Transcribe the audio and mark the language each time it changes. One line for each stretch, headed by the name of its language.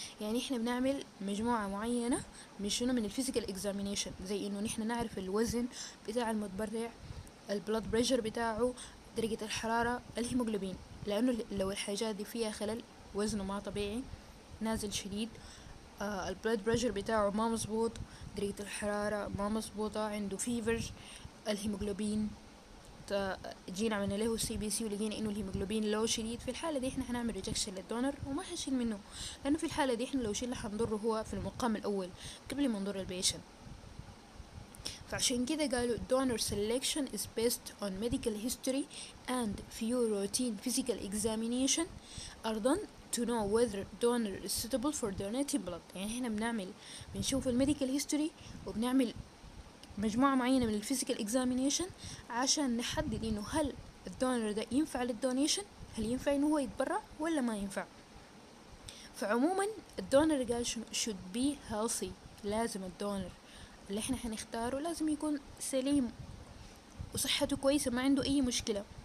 Arabic: يعني إحنا بنعمل مجموعة معينة من شنو، من الphysical examination، زي إنه نحنا نعرف الوزن بتاع المتبرع، ال blood pressure بتاعه، درجة الحرارة، الهيموغلوبين، لأنه لو الحاجات دي فيها خلل، وزنه ما طبيعي، نازل شديد، البلد بريشر بتاعه ما مزبوط، درجة الحرارة ما مزبوطة، عنده فيفر، الهيموغلوبين، جينا عملنا له سي بي سي ولقينا انه الهيموغلوبين لو شديد، في الحالة دي احنا هنعمل ريجكشن للدونر وما هنشيل منه، لأنه في الحالة دي احنا لو شيلنا هنضره هو في المقام الأول قبل ما نضر البيشن. فعشان كده قالوا
English: donor selection is based on medical history and few routine physical examination are done to know whether donor is suitable for donating blood.
Arabic: يعني هنا بنعمل بنشوف الميديكال هيستوري وبنعمل مجموعة معينة من الفيزيكال examination عشان نحدد انه هل الدونر ده ينفع للدونيشن، هل ينفع انه هو يتبرع ولا ما ينفع. فعموما الدونر قال
English: should be healthy،
Arabic: لازم الدونر اللي احنا هنختاره لازم يكون سليم وصحته كويسة، ما عنده اي مشكلة.